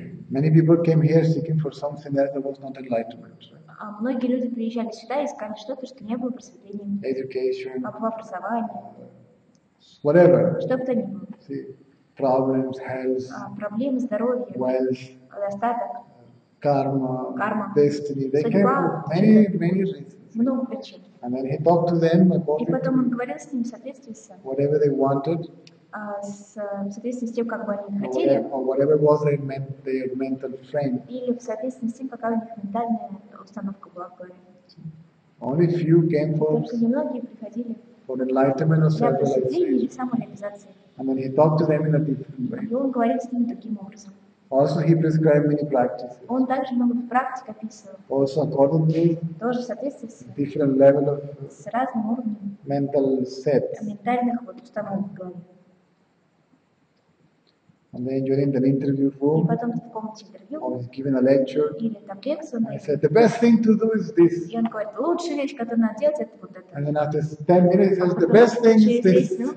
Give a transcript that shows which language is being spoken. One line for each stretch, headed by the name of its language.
English: Many people came here seeking for something that there was not enlightenment.
Russian: А многие люди приезжали сюда и искали что-то, что не было просветлением.
English: Education.
Russian: Образование.
English: Whatever.
Russian: Что бы то ни было.
English: See, problems, health.
Russian: Проблемы, здоровье.
English: Wealth.
Russian: Достаток. Карма.
English: Destiny. They came for many reasons.
Russian: Много причин.
English: And then he talked to them about.
Russian: И потом он говорил с ними в соответствии с.
English: Whatever they wanted.
Russian: В соответствии с тем, как бы они хотели, или в соответствии с тем, какая у них ментальная установка была в голове.
English: Only few came for.
Russian: Только немногие приходили.
English: For enlightenment or self-realization. And then he talked to them in a different way.
Russian: И он говорит с ними таким образом.
English: Also he prescribed many practices.
Russian: Он также много практик описывал.
English: Also accordingly.
Russian: Тоже в соответствии с.
English: Different level of.
Russian: С разным уровнем.
English: Mental sets.
Russian: Ментальных вот установок в голове.
English: And then during the interview room, I was given a lecture. I said, the best thing to do is this. And then after 10 minutes, he says, the best thing is this.